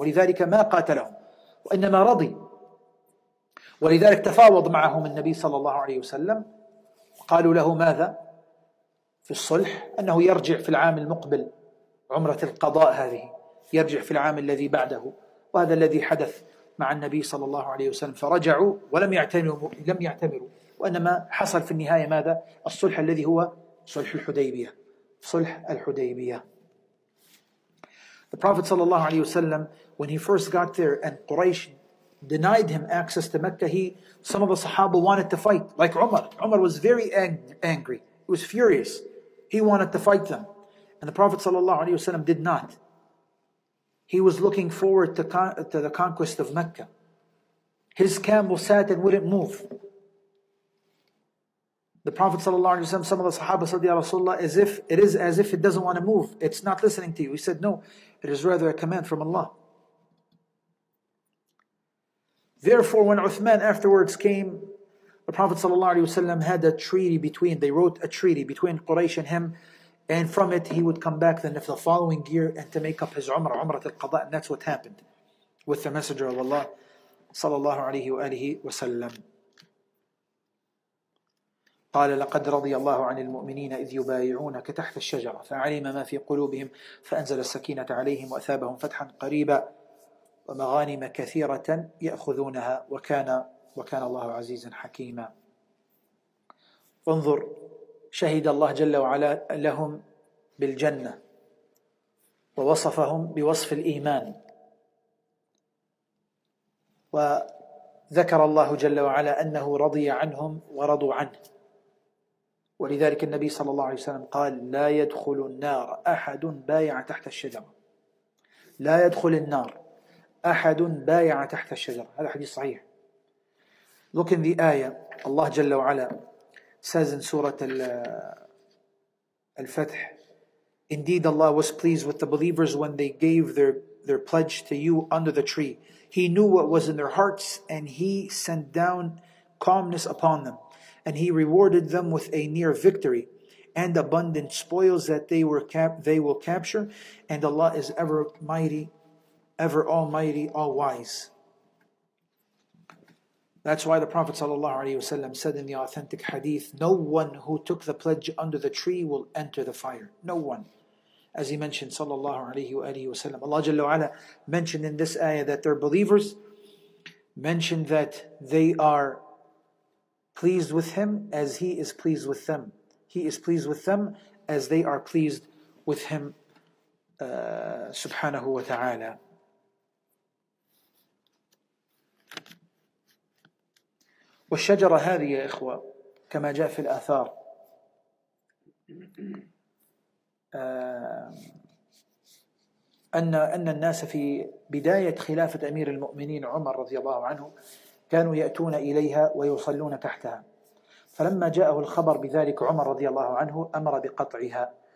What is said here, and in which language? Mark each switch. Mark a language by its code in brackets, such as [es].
[ar] ولذلك ما قاتلهم وإنما رضي. ولذلك تفاوض معهم النبي صلى الله عليه وسلم، قالوا له ماذا في الصلح؟ أنه يرجع في العام المقبل، عمرة القضاء هذه يرجع في العام الذي بعده. وهذا الذي حدث مع النبي صلى الله عليه وسلم، فرجعوا ولم يعتمروا، وإنما حصل في النهاية ماذا؟ الصلح الذي هو صلح الحديبية. صلح الحديبية. [en] The Prophet صلى الله عليه وسلم, when he first got there and Quraysh denied him access to Mecca, some of the Sahaba wanted to fight, like Umar. Umar was very angry. He was furious. He wanted to fight them. And the Prophet صلى الله عليه وسلم did not. He was looking forward to the conquest of Mecca. His camel sat and wouldn't move. The Prophet صلى الله عليه وسلم, some of the Sahaba said, Ya Rasulullah, as if it doesn't want to move. It's not listening to you. He said, no, it is rather a command from Allah. Therefore, when Uthman afterwards came, the Prophet صلى الله عليه وسلم had a treaty between, they wrote a treaty between Quraysh and him, and from it he would come back then if the following year and to make up his Umrah, Umrah al-Qadha, and that's what happened with the Messenger of Allah صلى الله عليه وآله وسلم. [ar] قال: لقد رضي الله عن المؤمنين إذ يبايعونك تحت الشجرة فعلم ما في قلوبهم فأنزل السكينة عليهم وأثابهم فتحا قريبا ومغانم كثيرة يأخذونها وكان الله عزيزا حكيما. انظر، شهد الله جل وعلا لهم بالجنة ووصفهم بوصف الإيمان، وذكر الله جل وعلا أنه رضي عنهم ورضوا عنه. ولذلك النبي صلى الله عليه وسلم قال: لا يدخل النار أحد بايع تحت الشجرة. لا يدخل النار أحد بايع تحت الشجرة. هذا حديث صحيح. [en] Look in the ayah. Allah جل وعلا says in Surah Al-Fath: Indeed Allah was pleased with the believers when they gave their pledge to you under the tree. He knew what was in their hearts and he sent down calmness upon them. And he rewarded them with a near victory and abundant spoils that they will capture. And Allah is ever mighty, ever almighty, all wise. That's why the Prophet ﷺ said in the authentic hadith, no one who took the pledge under the tree will enter the fire. No one. As he mentioned, sallallahu alayhi wa alayhi wa sallam. Allah Jalla wa'ala mentioned in this ayah that they're believers, mentioned that they are pleased with him as he is pleased with them. He is pleased with them as they are pleased with him, subhanahu wa ta'ala. [ar] والشجرة هذه يا إخوة كما جاء في الآثار أن الناس في بداية خلافة أمير المؤمنين عمر رضي الله عنه كانوا يأتون إليها ويصلون تحتها، فلما جاءه الخبر بذلك عمر رضي الله عنه أمر بقطعها.